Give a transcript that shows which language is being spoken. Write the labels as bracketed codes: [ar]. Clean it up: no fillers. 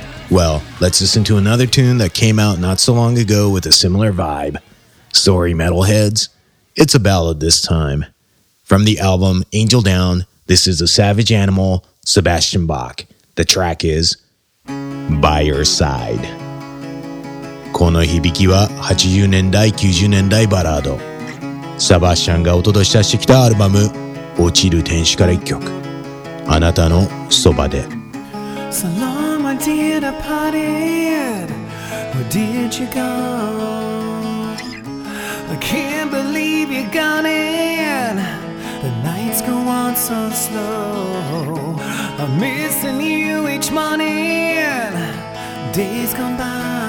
[en] Well, let's listen to another tune that came out not so long ago with a similar vibe. Sorry, metalheads, it's a ballad this time. From the album Angel Down, this is a Savage Animal, Sebastian Bach. The track is By Your Side. [ja] この響きは80年代90年代バラード、サバッシャンがお届けしてきたアルバム落ちる天使から一曲、あなたのそばで。 [en] So long my dear departed, where did you go? I can't believe you're gone in, the nights go on so slow. I'm missing you each morning, days gone by.